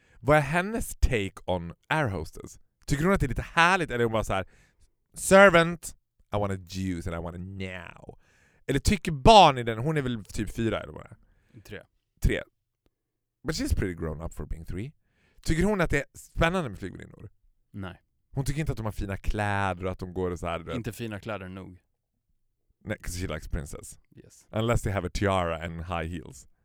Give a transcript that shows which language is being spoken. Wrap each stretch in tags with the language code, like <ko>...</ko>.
<sv>Vad är hennes take on air hostess? Tycker hon att det är lite härligt? Eller är hon bara så här,</sv> <en>servant, I want a juice and I want a now.</en> <sv>Eller tycker barn i den, hon är väl typ 4 eller vad? 3.</sv> <en>But she's pretty grown up for being 3.</en> <sv>Tycker hon att det är spännande med flygvärdinnor? Nej. Hon tycker inte att de har fina kläder och att de går så här. Inte fina kläder nog.</sv> <en>Nej, because she likes princess. Yes. Unless they have a tiara and high heels.</en>